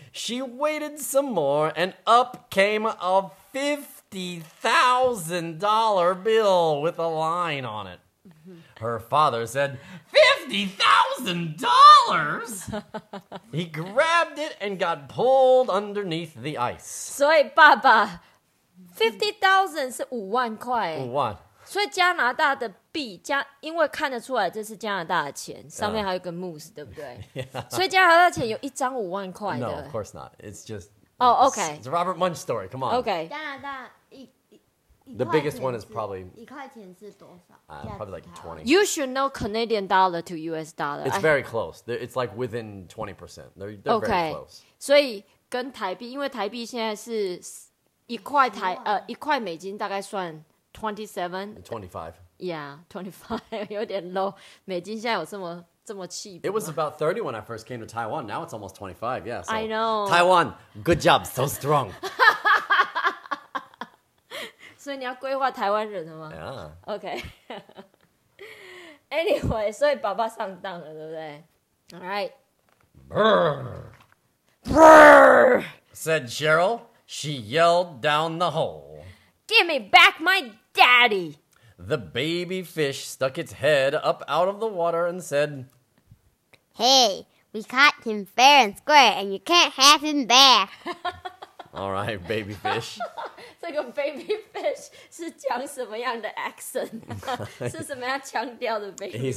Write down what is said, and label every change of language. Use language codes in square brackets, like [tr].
[en] She waited some more, and up came a $50,000 bill with a line on it. Her father said, $50,000? He grabbed it and got pulled underneath the ice. [zh] So, Baba... $50,000 是五万块，五万。所以加拿大的币加，因为看得出来这是加拿大的钱，上面还有个 moose， 对不对？ [en] Yeah. [zh] 所以加拿大钱有一张五万块的。 [en] No, of course not. It's just. Oh, okay. It's a Robert Munch story. Come on. Okay. [zh] 加拿大一 [en] The biggest one is probably. [zh] 一块钱是多少？ [en] Probably like 20. You should know Canadian dollar to US dollar. It's very close. It's like within 20%. They're okay. very close. [zh] 所以跟台币，因为台币现在是。一块美金大概算 27. Yeah, 25. 有点 low. 美金现在有这么 cheap. [en] It was about 30 when I first came to Taiwan. Now it's almost 25. Yeah. So, I know. Taiwan, good job. So strong. [zh] 所以你要规划台湾人了吗 [en] ？Yeah. Okay. [zh] Anyway, 所以爸爸上当了，对不对 ？All right. [en] Brrr. Said Cheryl. She yelled down the hole. Give me back my daddy. The baby fish stuck its head up out of the water and said, "Hey, we caught him fair and square, and you can't have him back." All right, baby fish. [zh] 这个 baby fish 是讲什么样的 accent？是什么样腔调的 baby fish？